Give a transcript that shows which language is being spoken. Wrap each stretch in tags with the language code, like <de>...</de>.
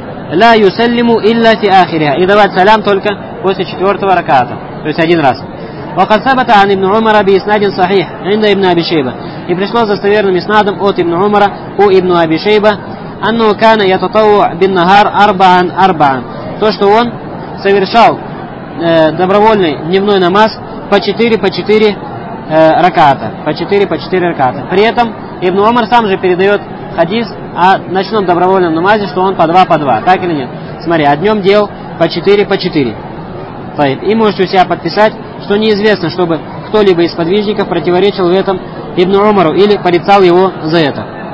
<ar>«Ла юсалиму илля фи ахириха».</ar> <ru>И давать салям только после 4 раката. То есть один раз.</ru> <ar>وقد ثبت عن ابن عمر بإسناد صحيح عند ابن أبي شيبة.</ar> <ru>И пришло с достоверным إسنادом от ابن عمر у ابن أبي شيبة</ru> <ar>أنه كان يتطوع بالنهار أربعا أربعا.</ar> <ru>То, что он совершал добровольный дневной намаз по 4 по 4 раката. По 4 по 4 раката. При этом ибн Умар сам же передает хадис о ночном добровольном намазе, что он по 2 по 2. Так или нет? Смотри, а днем дел по 4 по 4. И можете у себя подписать, что неизвестно, чтобы кто-либо из подвижников противоречил в этом ибн Умару или порицал его за это.</ru>